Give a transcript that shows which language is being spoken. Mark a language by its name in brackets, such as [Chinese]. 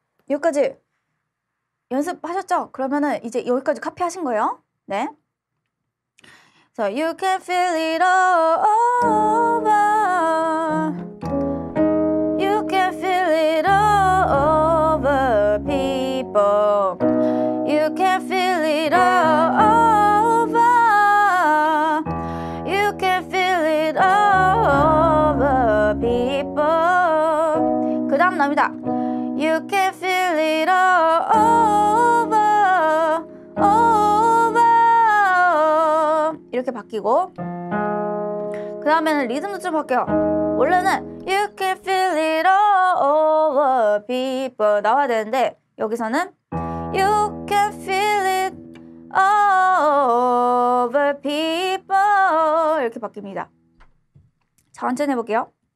[Korean] 여기까지 연습하셨죠? 그러면은 이제 여기까지 카피하신 거예요. 네. [English] So you can feel it all over. You can feel it all over people. You can feel it all over. You can feel it all over people. [Korean] 그 다음 나옵니다. [English] You can feel it all over, over. [Korean] 이렇게 바뀌고 그 다음에는 리듬도 좀 바뀌어. 원래는 [English] You can feel it all over people [Korean] 나와야 되는데 여기서는 You can feel it all over people 이렇게 바뀝니다. 천천히 해볼게요.